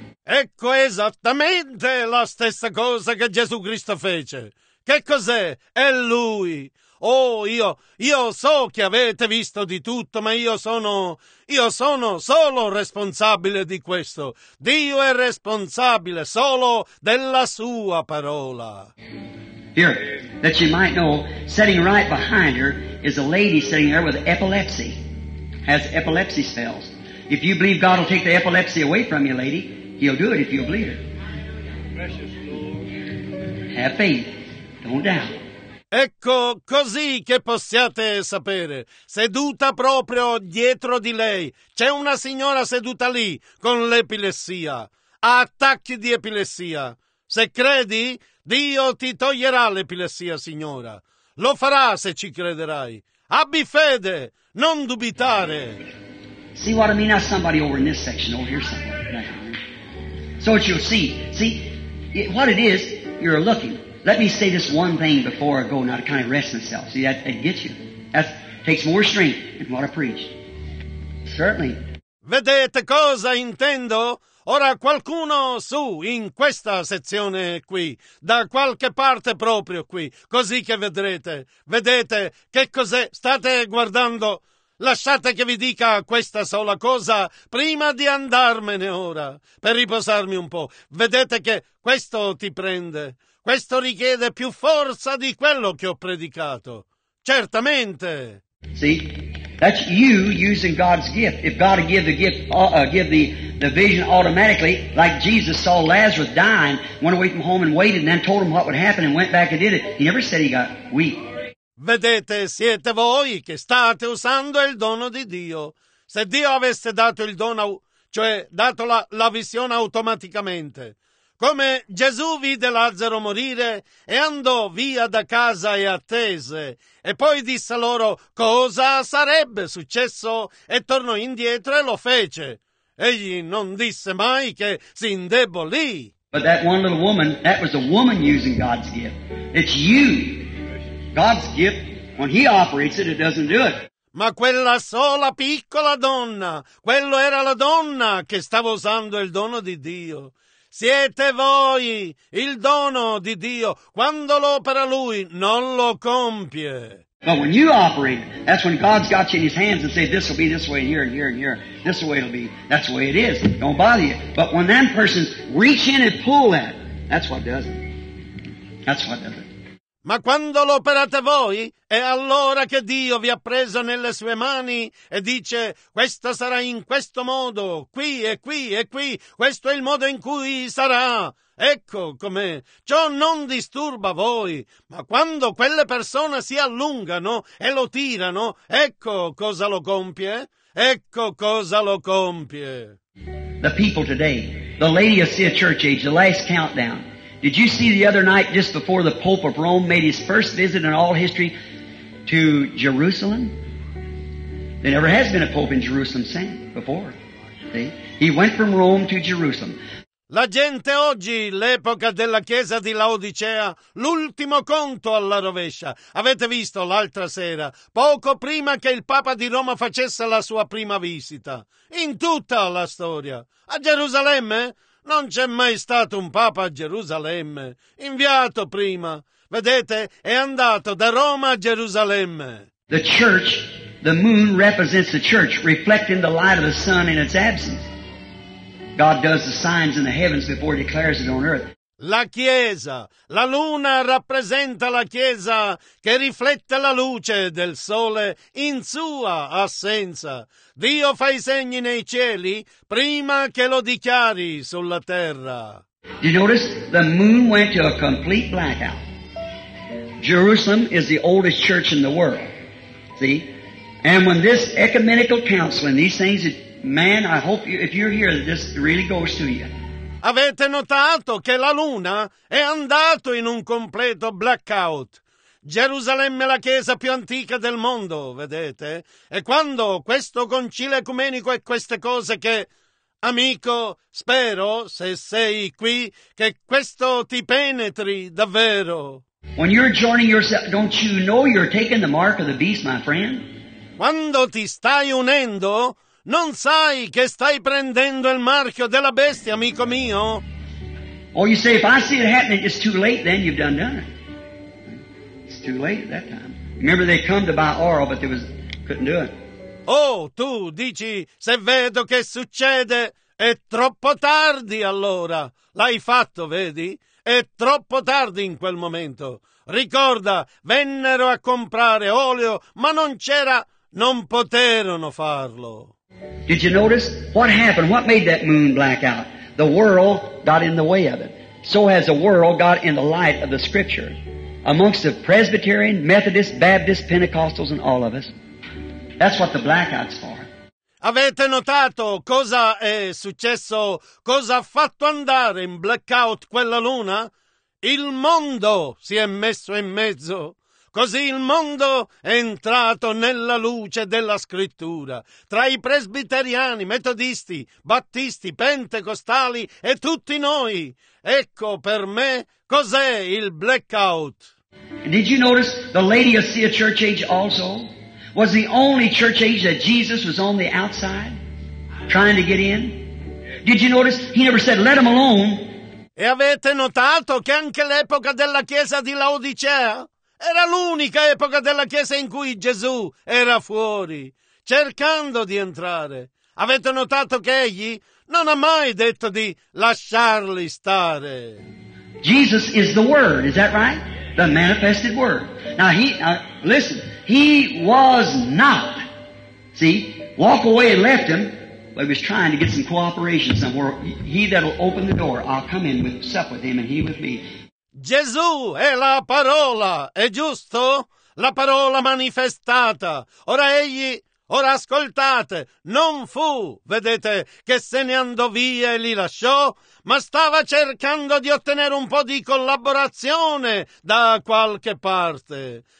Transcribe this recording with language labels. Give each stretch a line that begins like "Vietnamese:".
Italian: Ecco esattamente la stessa cosa che Gesù Cristo fece. Che cos'è? È lui. Oh, io so che avete visto di tutto, ma io sono solo responsabile di questo. Dio è responsabile solo della sua parola.
English: Here, that you might know, sitting right behind her is a lady sitting there with epilepsy. Has epilepsy spells. If you believe God will take the epilepsy away from you, lady, he'll do it if you believe it. Have faith. Don't doubt.
Italian: Ecco, così che possiate sapere, seduta proprio dietro di lei, c'è una signora seduta lì con l'epilessia, ha attacchi di epilessia. Se credi, Dio ti toglierà l'epilessia, signora. Lo farà se ci crederai. Abbi fede, non dubitare.
English: See what I mean? Now somebody over in this section, over here somewhere. So what you'll see, what it is, you're looking. Let me say this one thing before I go, now to kind of rest myself. See, that gets you. That takes more strength than what I preached. Certainly.
Italian: Vedete cosa intendo? Ora qualcuno su, in questa sezione qui, da qualche parte proprio qui, così che vedrete. Vedete che cos'è? State guardando. Lasciate che vi dica questa sola cosa prima di andarmene ora, per riposarmi un po'. Vedete che questo ti prende. Questo richiede più forza di quello che ho predicato. Certamente.
English: See, that's you using God's gift. If God would give the gift, give the vision automatically, like Jesus saw Lazarus dying, went away from home and waited, and then told him what would happen, and went back and did it. He never said he got weak.
Italian: Vedete, siete voi che state usando il dono di Dio. Se Dio avesse dato il dono, cioè dato la visione automaticamente. Come Gesù vide Lazzaro morire e andò via da casa e attese, e poi disse loro cosa sarebbe successo e tornò indietro e lo fece. Egli non disse mai che si indebolì.
English: But that one little woman, that was a woman using God's gift. It's you. God's gift, when he operates it, it doesn't do it.
Italian: Ma quella sola piccola donna, quello era la donna che stava usando il dono di Dio. Siete voi il dono di Dio. Quando lo opera Lui, non lo compie.
English: But when you operate, that's when God's got you in His hands and say, this will be this way, here and here and here. This way it'll be. That's the way it is. Don't bother you. But when that person reach in and pull that, that's what does it. That's what they'll do.
Italian: Ma quando lo operate voi, è allora che Dio vi ha preso nelle sue mani e dice: questo sarà in questo modo, qui e qui e qui, questo è il modo in cui sarà. Ecco com'è. Ciò non disturba voi, ma quando quelle persone si allungano e lo tirano, ecco cosa lo compie. Ecco cosa lo compie.
English: The people today, the Laodicea Church Age, the last countdown. Did you see the other night, just before the Pope of Rome made his first visit in all history to Jerusalem? There never has been a Pope in Jerusalem since before. See? He went from Rome to Jerusalem.
Italian: La gente oggi, l'epoca della chiesa di Laodicea, l'ultimo conto alla rovescia. Avete visto l'altra sera, poco prima che il Papa di Roma facesse la sua prima visita. In tutta la storia. A Gerusalemme? Non c'è mai stato un Papa a Gerusalemme, inviato prima. Vedete, è andato da Roma a Gerusalemme.
English: The church, the moon represents the church, reflecting the light of the sun in its absence. God does the signs in the heavens before he declares it on earth.
Italian: La Chiesa, la luna rappresenta la Chiesa che riflette la luce del sole in sua assenza. Dio fa i segni nei cieli prima che lo dichiari sulla terra.
English: You notice the moon went to a complete blackout. Jerusalem is the oldest church in the world. See? And when this ecumenical council and these things, man, I hope you, if you're here, this really goes to you.
Italian: Avete notato che la luna è andato in un completo blackout. Gerusalemme è la chiesa più antica del mondo, vedete? E quando questo concilio ecumenico e queste cose che... Amico, spero, se sei qui, che questo ti penetri davvero.
English: When you're joining yourself, don't you know you're taking the mark of the beast, my friend?
Italian: Quando ti stai unendo... Non sai che stai prendendo il marchio della bestia, amico mio?
English: Oh, you say, if I see it happening, it's too late, then you've done it. It's too late at that time. Remember, they come to buy oil, but couldn't do it.
Italian: Oh, tu dici, se vedo che succede, è troppo tardi allora. L'hai fatto, vedi? È troppo tardi in quel momento. Ricorda, vennero a comprare olio, ma non c'era, non poterono farlo.
English: Did you notice what happened? What made that moon black out? The world got in the way of it. So has the world got in the light of the Scripture. Amongst the Presbyterian, Methodist, Baptist, Pentecostals and all of us. That's what the blackout's for.
Italian: Avete notato cosa è successo? Cosa ha fatto andare in blackout quella luna? Il mondo si è messo in mezzo. Così il mondo è entrato nella luce della Scrittura, tra i presbiteriani, metodisti, battisti, pentecostali e tutti noi. Ecco per me cos'è il blackout.
English: Did you notice the Laodicea Church Age also was the only church age that Jesus was on the outside trying to get in? Did you notice he never said let them alone?
Italian: E avete notato che anche l'epoca della chiesa di Laodicea era l'unica epoca della Chiesa in cui Gesù era fuori, cercando di entrare. Avete notato che egli non ha mai detto di lasciarli stare.
English: Jesus is the Word, is that right? The manifested Word. Now, he was not, see, walk away and left him, but he was trying to get some cooperation somewhere. He that'll open the door, I'll come in with sup with him and he with me.
Italian: Gesù è la parola, è giusto? La parola manifestata. Ora ascoltate, non fu, vedete, che se ne andò via e li lasciò, ma stava cercando di ottenere un po' di collaborazione da qualche parte.